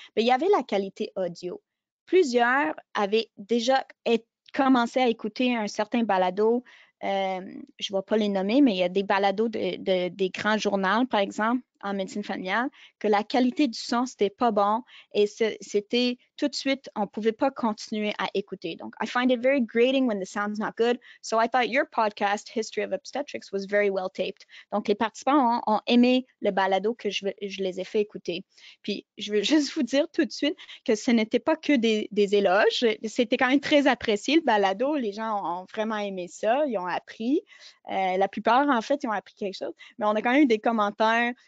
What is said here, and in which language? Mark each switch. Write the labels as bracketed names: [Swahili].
[French] Bien, il y avait la qualité audio. Plusieurs avaient déjà commencé à écouter un certain balado. Je ne vais pas les nommer, mais il y a des balados des grands journaux, par exemple, en médecine familiale, que la qualité du son, c'était pas bon et c'était tout de suite, on pouvait pas continuer à écouter. Donc, [English] I find it very grating when the sound's not good. So, I thought your podcast, History of Obstetrics, was very well taped. [French] Donc, les participants ont aimé le balado que je les ai fait écouter. Puis, je veux juste vous dire tout de suite que ce n'était pas que des éloges. C'était quand même très apprécié, le balado. Les gens ont vraiment aimé ça. Ils ont appris. La plupart, en fait, ils ont appris quelque chose. Mais on a quand même eu des commentaires.